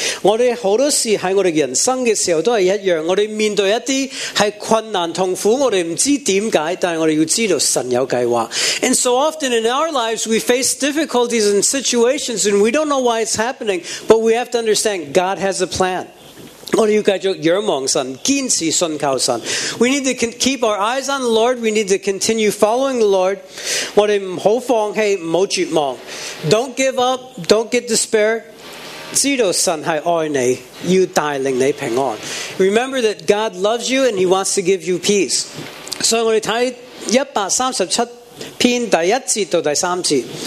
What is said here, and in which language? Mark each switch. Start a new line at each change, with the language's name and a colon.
Chinese: 我们很多事在我们人生的时候都是一样，我们面对一些是困难痛苦，我们不知道为什么，但是我们要知道神有计划。
English: And so often in our lives we face difficulties and situations and we don't know why it's happening, but we have to understand God has a plan.
Chinese: 我们要继续仰望神，坚持信靠神。
English: We need to keep our eyes on the Lord. We need to continue following the Lord.
Chinese: 我们不要放弃，不要绝望。
English: Don't give up. Don't get despair.
Chinese: 知道神是爱你，要带领你平安。
English: Remember that God loves you and He wants to give you peace.
Chinese: 所以我们看137篇第一节到第三节。